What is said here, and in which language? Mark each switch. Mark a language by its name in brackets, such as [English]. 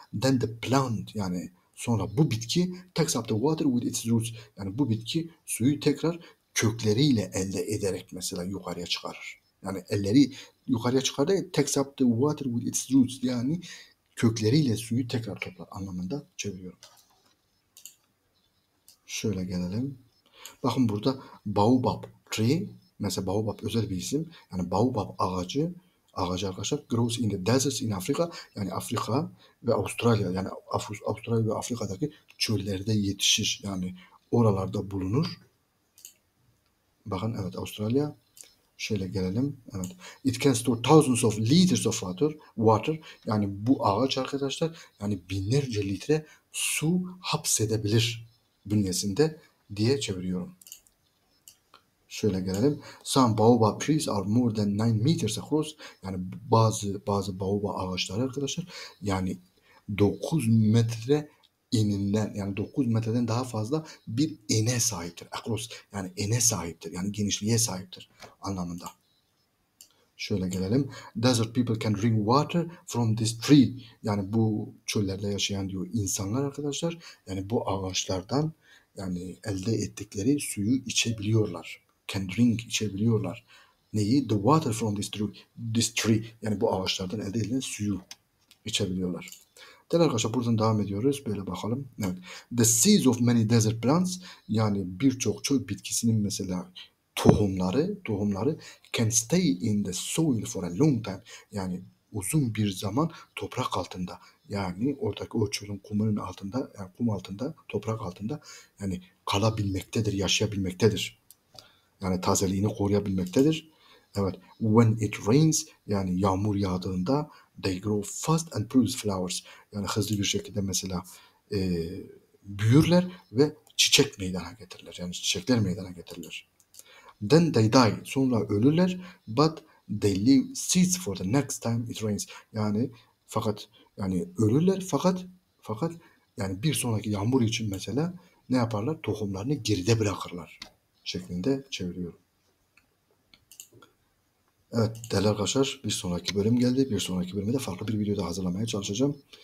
[English] Then the plant, [Turkish] yani sonra bu bitki [English] takes up the water with its roots. [Turkish] Yani bu bitki suyu tekrar kökleriyle elde ederek mesela yukarıya çıkarır. Yani elleri yukarıya çıkar da [English] takes up the water with its roots. [Turkish] Yani kökleriyle suyu tekrar toplar anlamında çeviriyorum. Şöyle gelelim. Bakın burada baobab tree. Mesela baobab özel bir isim. Yani baobab ağacı arkadaşlar [English] grows in the deserts in Africa, [Turkish] yani Afrika ve Avustralya, yani Avustralya ve Afrika'daki çöllerde yetişir, yani oralarda bulunur. Bakın evet, Avustralya. Şöyle gelelim. Evet. [English] It can store thousands of liters of water. [Turkish] Yani bu ağaç arkadaşlar yani binlerce litre su hapsedebilir bünyesinde diye çeviriyorum. Şöyle gelelim. [English] Some baobab trees are more than 9 meters across. [Turkish] Yani bazı baobab ağaçları arkadaşlar yani 9 metre eninden yani 9 metreden daha fazla bir ene sahiptir. Across yani ene sahiptir. Yani genişliğe sahiptir anlamında. Şöyle gelelim. [English] Desert people can drink water from this tree. [Turkish] Yani bu çöllerde yaşayan diyor insanlar arkadaşlar. Yani bu ağaçlardan yani elde ettikleri suyu içebiliyorlar. [English] Can drink [Turkish] içebiliyorlar. Neyi? [English] The water from this tree. [Turkish] Yani bu ağaçlardan elde edilen suyu içebiliyorlar. Değerli arkadaşlar buradan devam ediyoruz. Böyle bakalım. Evet. [English] The seeds of many desert plants. [Turkish] Yani birçok çöl bitkisinin mesela tohumları [English] can stay in the soil for a long time. [Turkish] Yani uzun bir zaman toprak altında. Yani oradaki o çölün kumunun altında, yani kum altında, toprak altında yani kalabilmektedir, yaşayabilmektedir. Yani tazeliğini koruyabilmektedir. Evet. [English] When it rains, [Turkish] yani yağmur yağdığında [English] they grow fast and produce flowers. [Turkish] Yani hızlı bir şekilde mesela büyürler ve çiçek meydana getirirler. Yani çiçekler meydana getirirler. [English] Then they die. [Turkish] Sonra ölürler. [English] But they leave seeds for the next time it rains. [Turkish] Yani fakat yani ölürler fakat yani bir sonraki yağmur için mesela ne yaparlar? Tohumlarını geride bırakırlar. Şeklinde çeviriyorum. Evet değerli arkadaşlar bir sonraki bölüm geldi. Bir sonraki bölümde farklı bir videoda hazırlamaya çalışacağım.